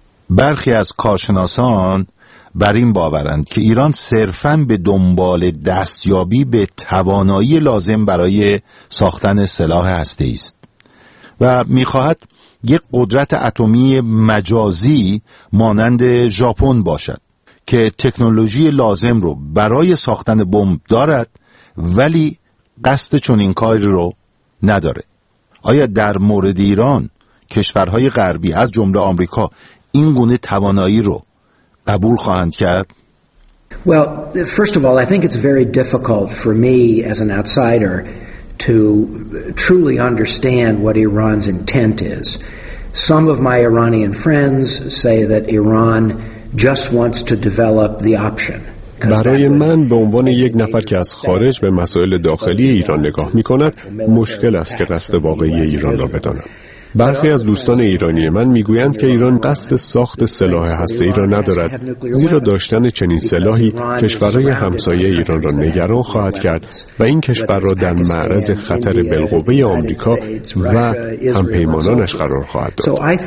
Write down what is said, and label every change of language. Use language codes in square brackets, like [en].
[fa] برخی از کارشناسان بر این باورند که ایران صرفاً به دنبال دستیابی به توانایی لازم برای ساختن سلاح هسته‌ای است و می‌خواهد یک قدرت اتمی مجازی مانند ژاپن باشد که تکنولوژی لازم رو برای ساختن بمب دارد ولی قصد چنین کاری رو نداره. آیا در مورد ایران کشورهای غربی از جمله آمریکا این گونه توانایی رو قبول خواهند کرد؟ [en] Well, first of all, I think it's very difficult for me as an outsider to truly understand what Iran's intent is. Some of my Iranian friends say that Iran just wants to develop the option. [fa] برای من به عنوان یک نفر که از خارج به مسائل داخلی ایران نگاه می کند، مشکل است که قصد واقعی ایران را بدانم. برخی از دوستان ایرانی من میگویند که ایران قصد ساخت سلاح هسته‌ای را ندارد، زیرا داشتن چنین سلاحی کشورهای همسایه ایران را نگران خواهد کرد و این کشور را در معرض خطر بالقوه آمریکا و همپیمانانش قرار خواهد داد.